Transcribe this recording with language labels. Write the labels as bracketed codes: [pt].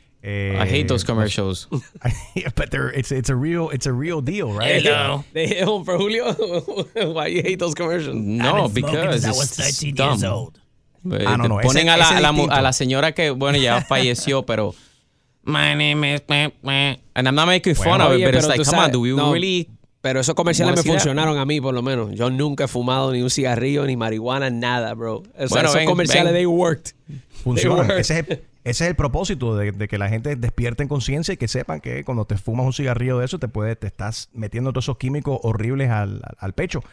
[en] I hate those commercials. But it's a real deal, right? Hello. For Julio, why you hate those commercials? No, because it's dumb. [es] Ponen a la señora que, bueno, ya falleció, pero... [en] My name is and I'm not making fun of it, but it's like, come on, do we really... [es] Pero esos comerciales me funcionaron a mí, por lo menos. Yo nunca he fumado ni un cigarrillo, ni marihuana, nada, bro. Esos comerciales, [en] they worked. [es] Funcionan. Ese es el propósito de que la gente despierte en conciencia y que sepan que cuando te fumas un cigarrillo de eso, te estás metiendo todos esos químicos horribles al pecho.